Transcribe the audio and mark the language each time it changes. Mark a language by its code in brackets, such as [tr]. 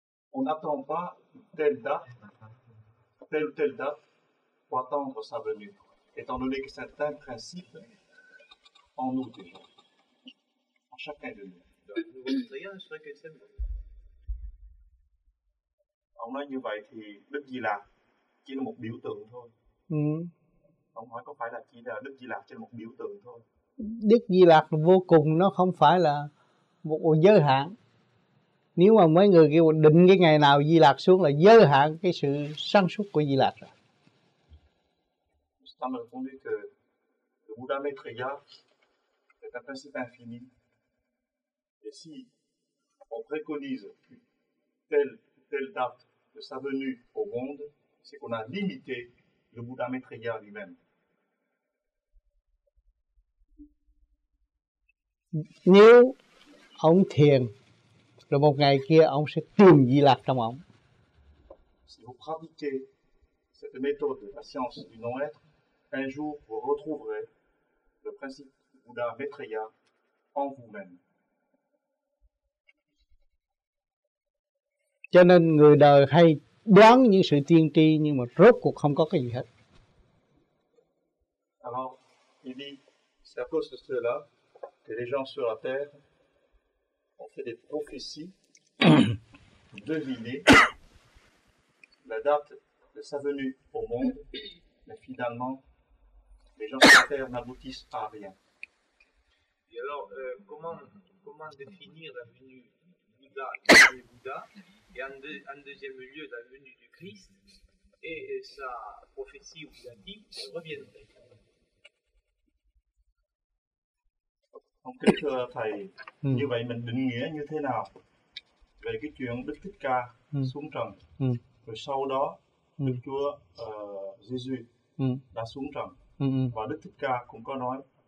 [fr] on n'attend pas telle date pour attendre sa venue, étant donné que certains principes en nous déjà, en chacun de nous. [vi] Ông nói như vậy thì Đức Di Lạc chỉ là một biểu tượng thôi. Ông nói có phải là chỉ là Đức Di Lạc chỉ là một biểu tượng thôi? Đức Di Lạc vô cùng, nó không phải là một giới hạn. Nếu mà mấy người kêu định cái ngày nào Di Lạc xuống là giới hạn cái sự sáng suốt của Di Lạc rồi. [fr] Ça me répondu que le Bouddha Maitreya est un principe infini. Et si on préconise telle date de sa venue au monde, c'est qu'on a limité le Bouddha Maitreya lui-même. [vi] Nếu ông thiền rồi một ngày kia ông sẽ tìm Di Lạc trong ông. [fr] Si vous pratiquez cette méthode, la science du non-être, un jour vous retrouverez le principe du Bouddha Maitreya en vous-même. [vi] Cho nên người đời hay đoán những sự tiên tri, nhưng mà rốt cuộc không có cái gì hết. [fr] Alors, il dit, c'est à cause de cela que les gens sur la terre on fait des prophéties pour deviner la date de sa venue au monde, mais finalement, les gens sur la terre n'aboutissent pas à rien. Et alors, comment définir la venue du Bouddha et du Bouddha, et en deuxième lieu, la venue du Christ et sa prophétie ou sa vie reviendrait? [vi] Không kính thưa thầy, như vậy mình định nghĩa như thế nào về cái chuyện Đức Thích Ca xuống trần, rồi sau đó Đức Chúa Jesus đã xuống trần, và Đức Thích Ca cũng có nói